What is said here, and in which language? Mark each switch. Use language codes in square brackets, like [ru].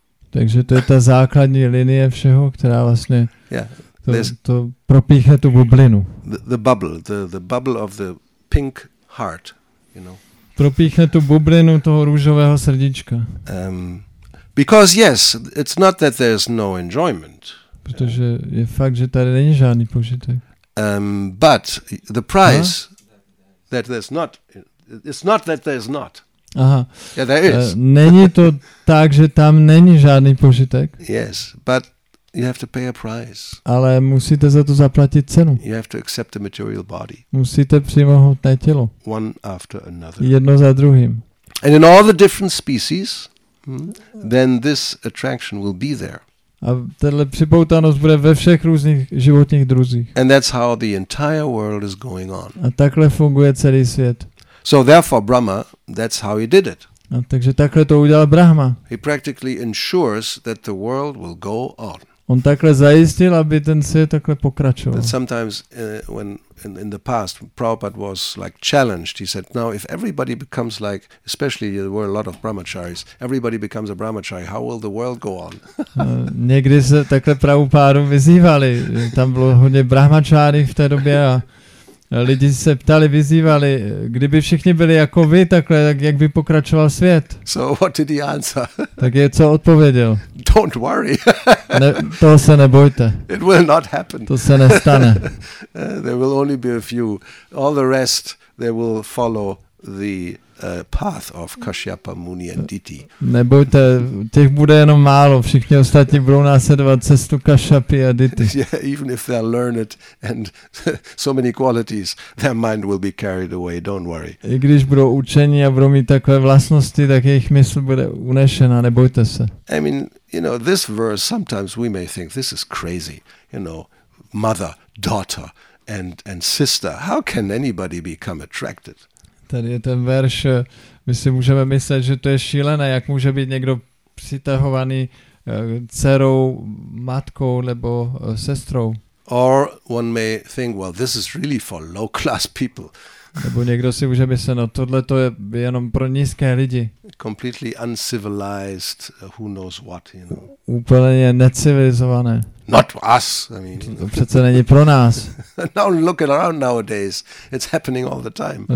[cs] Takže to je ta základní linie všeho, která vlastně to propíchá tu bublinu. [en] The bubble, the bubble of the pink heart, you know. [cs] Propíchá tu bublinu toho růžového srdíčka. [en] Because yes, it's not that there's no enjoyment. [cs] Protože je fakt, že tady není žádný požitek. [en] But the price that there's not, it's not that there's not. Aha. Yeah, there is. [cs] Není to tak, že tam není žádný požitek. [en] Yes, but you have to pay a price. [cs] Ale musíte za to zaplatit cenu. [en] You have to accept the material body. [cs] Musíte přijmout hmotné tělo. [en] One after another. [cs] Jedno za druhým. [en] And in all the different species, then this attraction will be there. [cs] A tato připoutanost bude ve všech různých životních druzích. [en] And that's how the entire world is going on. [cs] A takhle funguje celý svět. [en] So therefore Brahma, that's how he did it. [cs] A takže takhle to udělal Brahma. [en] He practically ensures that the world will go on. [cs] On takhle zajistil, aby ten svět takhle pokračoval. [en] And sometimes when in the past Prabhupada was like challenged, he said, now if everybody becomes like, especially there were a lot of brahmacharis, everybody becomes a brahmachari, how will the world go on? [cs] Někdy se takhle Prabhupádu vyzývali, tam bylo hodně brahmachari v té době a lidi se ptali, vyzývali, kdyby všichni byli jako vy takhle, tak jak by pokračoval svět? [en] So what did he answer? [cs] Tak je co odpověděl? [en] Don't worry. [cs] Ne, toho se nebojte. [en] It will not happen. [cs] To se nestane. [en] There will only be a few. All the rest, they will follow the path of Kashyapa, Muni and Diti. [cs] Nebojte, těch bude jenom málo, všichni ostatní budou následovat cestu Kashyapy a Diti. [en] Yeah, even if they learn it and so many qualities, their mind will be carried away, don't worry. [cs] I když budou učení a budou mít takové vlastnosti, tak jejich mysl bude unešena, nebojte se. [en] I mean, you know, this verse, sometimes we may think this is crazy, you know, mother, daughter and sister, how can anybody become attracted? [cs] Tady je ten verš, my si můžeme myslet, že to je šílené, jak může být někdo přitahovaný dcerou, matkou nebo sestrou. [en] Or one may think, well, this is really for low class people. [cs] Nebo někdo si může myslet, no tohle to je jenom pro nízké lidi. [en] Completely uncivilized, who knows what, you know. [cs] Úplně necivilizované. [en] Not us, I mean. [cs] To přece není pro nás. [en] Now look around nowadays, it's happening all the time.